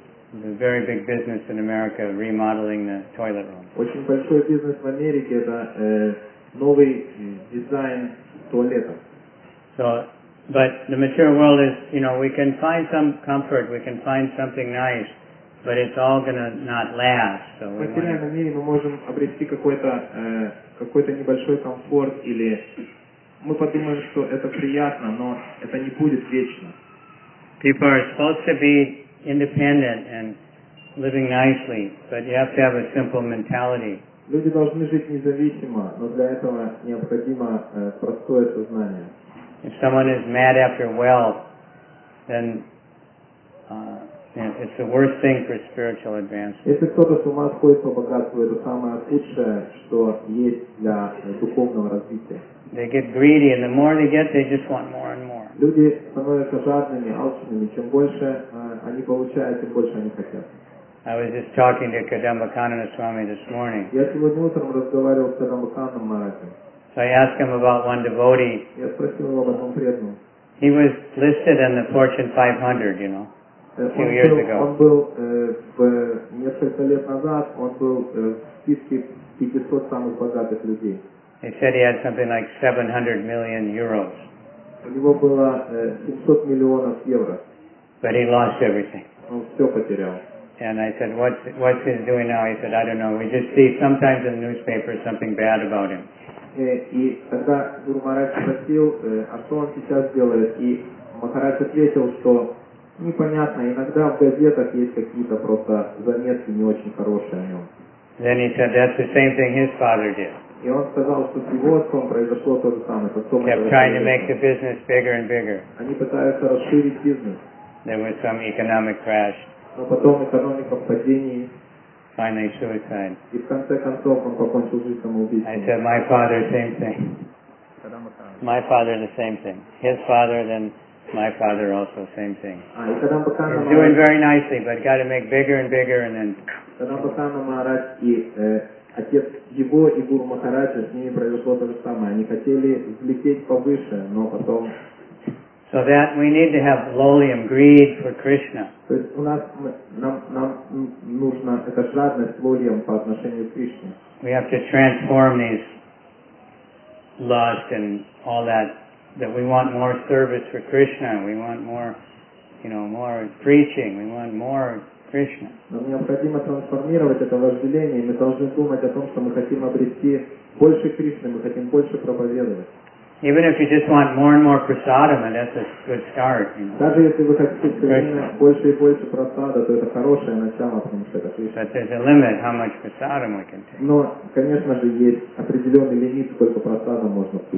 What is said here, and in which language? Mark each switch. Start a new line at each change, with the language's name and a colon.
English: There's a very big business in America remodeling the toilet room.
Russian: Очень большой бизнес в Америке это новый дизайн туалета.
English: So, but the material world is, you know, we can find some comfort, we can find something nice, but it's all gonna not last. So
Russian: в материальном мире мы можем обрести какой-то небольшой комфорт или мы подумаем, что это приятно, но это не будет вечно.
English: People are supposed to be independent and living nicely, but you have to have a simple mentality.
Russian: Люди должны жить независимо, но для этого необходимо простое сознание.
English: If someone is mad after wealth, then it's the worst thing for spiritual advancement.
Russian: Если кто-то с ума сходит по богатству, это самое худшее, что есть для духовного развития.
English: They get greedy, and the more they get, they just want more and more.
Russian: Люди становятся жадными, алчными. Чем больше они получают, тем больше они хотят.
English: I was just talking to Kadambakanana Swami this morning.
Russian: Я сегодня утром разговаривал с Кадамбакананом Махараджи.
English: So I asked him about one devotee.
Russian: Я спросил его об одном преданном.
English: He was listed in the Fortune 500, you know, a few years ago.
Russian: Он был несколько лет назад, он был в списке 500 самых богатых людей.
English: They said he had something like 700 million euros.
Russian: У него было 700 миллионов евро.
English: But he lost everything.
Russian: Он все потерял.
English: And I said, what's he doing now? He said, I don't know. We just see sometimes in the newspaper something bad about him.
Russian: И тогда Гуру Махарадж спросил, а что он сейчас делает? И Махарадж ответил, что непонятно, иногда в газетах есть какие-то просто заметки не очень хорошие о нем.
English: Then he said, that's the same thing his father did.
Russian: И он сказал, что с его отцом произошло то же самое.
English: Kept trying
Russian: происходит.
English: To make the business bigger and bigger.
Russian: Они пытаются расширить бизнес.
English: There was some economic crash.
Russian: Но потом экономика в падении.
English: Finally, suicide.
Russian: И в конце концов он покончил жизнь самоубийством.
English: I said, my father, same thing. My father, the same thing. His father, then my father, also same thing. He's doing very nicely, but got to make bigger and bigger, and then.
Russian: Кадамбакана Махарадж и отец его и Гуру Махараджа, с ними произошло то же самое. Они хотели взлететь повыше, но потом.
English: So that we need to have lowlium, greed for Krishna.
Russian: То есть у нас нам нужна эта жадность лолиум по отношению к Кришне.
English: We have to transform these lust and all that we want more service for Krishna. We want more, you know, more preaching. We want more Krishna.
Russian: Нам необходимо трансформировать это вожделение. Мы должны думать о том, что мы хотим обрести больше Кришны. Мы хотим больше проповедовать.
English: Even if you just want more and more prasadam, that's a good start.
Russian: Даже если вы хотите больше и больше прасада, то это хорошее начало, потому что это Кришна.
English: But there's a limit how much prasadam we can take.
Russian: Но, конечно же, есть определенный лимит, сколько прасада можно купить.